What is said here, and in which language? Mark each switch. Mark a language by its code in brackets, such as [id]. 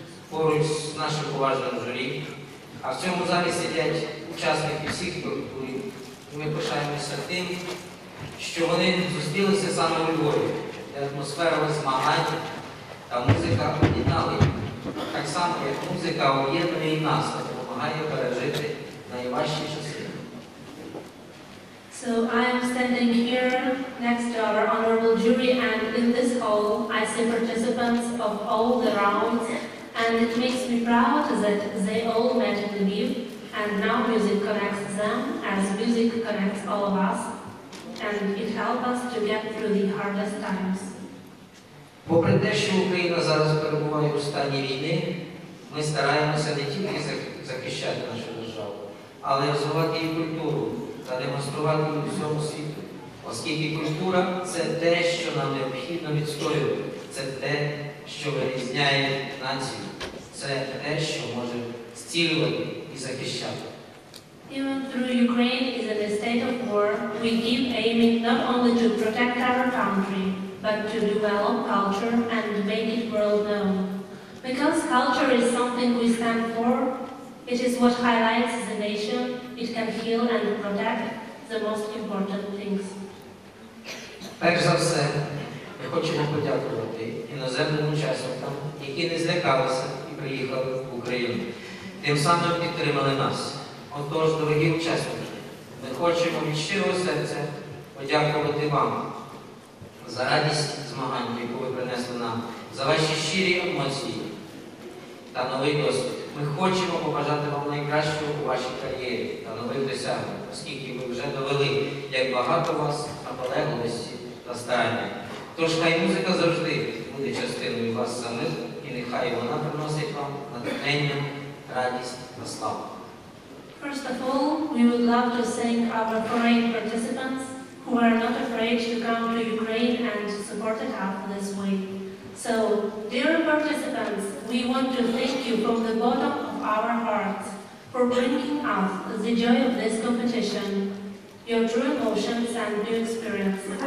[uk] Поруч з нашим поважним журі, а в цьому залі сидять учасники всіх турнірів. Ми пишаємося тим, що вони зустрілися саме у Львові. Атмосфера змагань та музика об'єднали. Так само, як музика об'єднує і нас, та допомагає пережити найважчі часи. [en] So I am standing here next to our honorable jury, and in this hall I see participants of all the rounds. And it makes me proud that they all met in Lviv, and now music connects them, as music connects all of us, and it helps us to get through the hardest times. [uk] Попри те, що Україна зараз перебуває у стані війни, ми стараємося не тільки захищати нашу державу, але й розвивати її культуру та демонструвати її всьому світу, оскільки культура – це те, що нам необхідно відстоювати, це те, що вирізняє націю. Це те, що може зцілювати і захищати. [en] Even though Ukraine is in a state of war, we keep aiming not only to protect our country, but to develop culture and make it world known. Because culture is something we stand for, It is what highlights the nation. It can heal and protect the most important things. [uk] Перш за все, ми хочемо подякувати іноземним учасникам, які не злякалися і приїхали в Україну. Тим самим підтримали нас. Отож, дорогі учасники, ми хочемо від щирого серця подякувати вам за радість змагання, яку ви принесли нам, за ваші щирі емоції та новий досвід. Ми хочемо побажати вам найкращого у вашій кар'єрі та нових досягнень, оскільки ви вже довели, як багато вас наполегливості та старання. Тож, хай музика завжди буде частиною вас самих, і нехай вона приносить вам натхнення, радість та славу. [en] First of all, we would love to thank our foreign participants who are not afraid to come to Ukraine and support us this way. So, dear participants, we want to thank you from the bottom of our hearts for bringing us the joy of this competition, your true emotions and new experiences.